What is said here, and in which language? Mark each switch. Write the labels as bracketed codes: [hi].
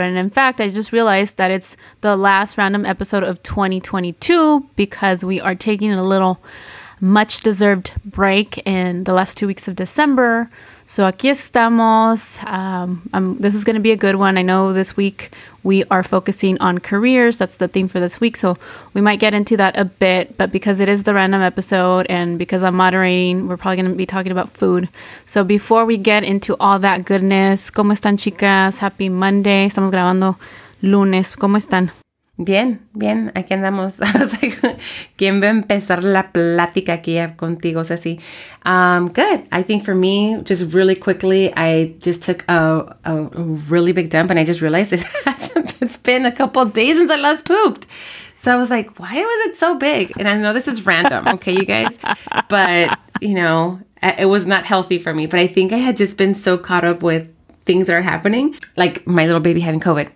[en] And in fact, I just realized that it's the last random episode of 2022 because we are taking a little much deserved break in the last 2 weeks of December. So aquí estamos. This is going to be a good one. I know this week we are focusing on careers. That's the theme for this week. So we might get into that a bit. But because it is the random episode and because I'm moderating, we're probably going to be talking about food. So before we get into all that goodness, ¿cómo están, chicas? [es] Happy Monday. Estamos grabando lunes. ¿Cómo están? Bien, bien. Aquí andamos. ¿Quién va a empezar la plática aquí contigo, Ceci? [en] Good. I think for me, just really quickly, I just took a really big dump and I just realized it's been a couple of days since I last pooped. So I was like, why was it so big? And I know this is random, okay, you guys? But, you know, it was not healthy for me. But I think I had just been so caught up with things that are happening, like my little baby having COVID.